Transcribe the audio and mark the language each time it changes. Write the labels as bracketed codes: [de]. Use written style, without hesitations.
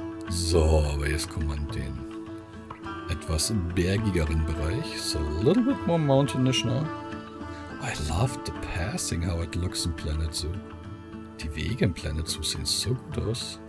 [de] So, aber jetzt kommen wir den etwas bergigeren Bereich. [en] So, a little bit more mountainish now. I love the passing, how it looks in Planet Zoo. [de] Die Wege in Planet Zoo sehen so gut aus.